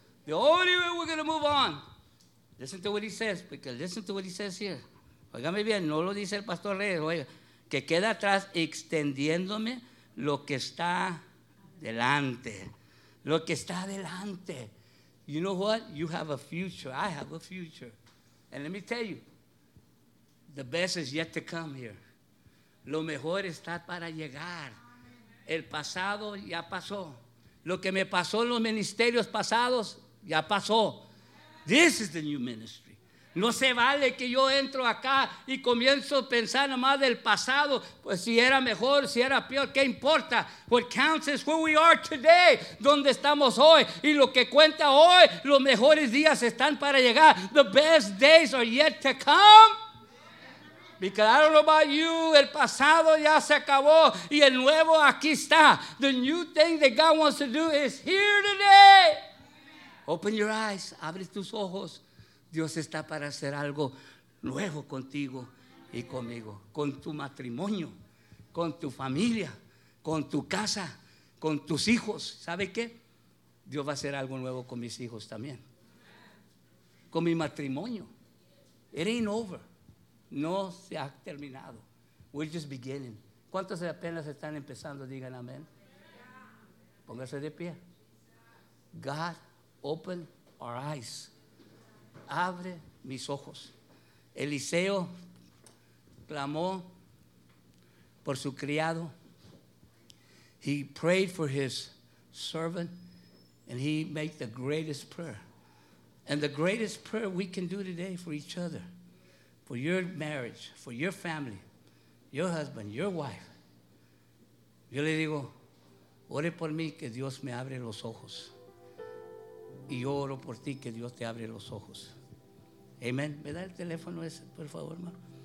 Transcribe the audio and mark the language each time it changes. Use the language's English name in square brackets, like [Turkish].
[English] The only way we're going to move on. Listen to what he says, because listen to what he says here. [Spanish] Oigame bien, no lo dice el pastor Reyes. Oiga, que queda atrás extendiéndome lo que está delante, lo que está delante. [English] You know what? You have a future. I have a future. And let me tell you, the best is yet to come here. [Spanish] Lo mejor está para llegar. El pasado ya pasó. Lo que me pasó en los ministerios pasados ya pasó. [English] This is the new ministry. [Spanish] No se vale que yo entro acá y comienzo a pensar nomás del pasado, pues si era mejor, si era peor, ¿qué importa? [English] What counts is where we are today, [Spanish] donde estamos hoy, y lo que cuenta hoy, los mejores días están para llegar. [English] The best days are yet to come. Because I don't know about you, [Spanish] el pasado ya se acabó y el nuevo aquí está. [English] The new thing that God wants to do is here today. Open your eyes, [Spanish] abre tus ojos. Dios está para hacer algo nuevo contigo y conmigo, con tu matrimonio, con tu familia, con tu casa, con tus hijos. ¿Sabe qué? Dios va a hacer algo nuevo con mis hijos también, con mi matrimonio. [English] It ain't over. [Spanish] No se ha terminado. [English] We're just beginning. [Spanish] ¿Cuántos apenas están empezando? Digan amén. Póngase de pie. [English] God, open our eyes. [Spanish] Abre mis ojos. Eliseo clamó por su criado. [English] He prayed for his servant, and he made the greatest prayer. And the greatest prayer we can do today for each other, for your marriage, for your family, your husband, your wife. [Spanish] Yo le digo, ore por mí que Dios me abre los ojos. Y yo oro por ti que Dios te abre los ojos. Amen. ¿Me da el teléfono ese, por favor, hermano?